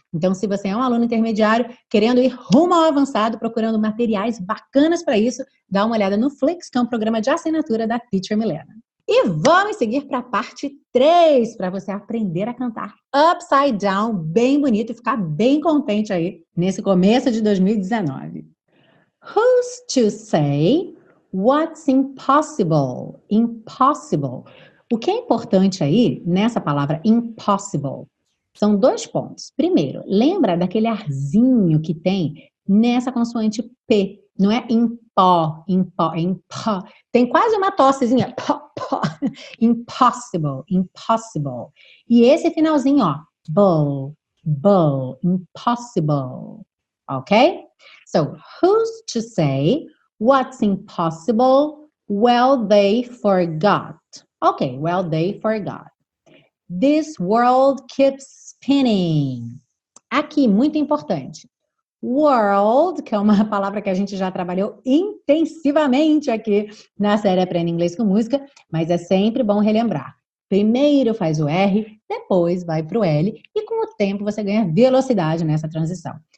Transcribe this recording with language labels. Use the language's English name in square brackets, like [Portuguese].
[Portuguese] Então, se você é um aluno intermediário, querendo ir rumo ao avançado, procurando materiais bacanas para isso, dá uma olhada no Flix, que é um programa de assinatura da Teacher Milena. E vamos seguir para a parte 3, para você aprender a cantar upside down, bem bonito, e ficar bem contente aí, nesse começo de 2019. [English] Who's to say what's impossible? Impossible. [Portuguese] O que é importante aí, nessa palavra impossible, são dois pontos. Primeiro, lembra daquele arzinho que tem nessa consoante P. Não é impó, impó, é impó. Tem quase uma tossezinha. Pó, pó. Impossible, impossible. E esse finalzinho, ó. Bull, bull, impossible. Ok? [English] So, who's to say what's impossible? Well, they forgot. Ok, well, they forgot. This world keeps spinning. [Portuguese] Aqui, muito importante. World, que é uma palavra que a gente já trabalhou intensivamente aqui na série Aprenda Inglês com Música, mas é sempre bom relembrar. Primeiro faz o R, depois vai para o L, e com o tempo você ganha velocidade nessa transição.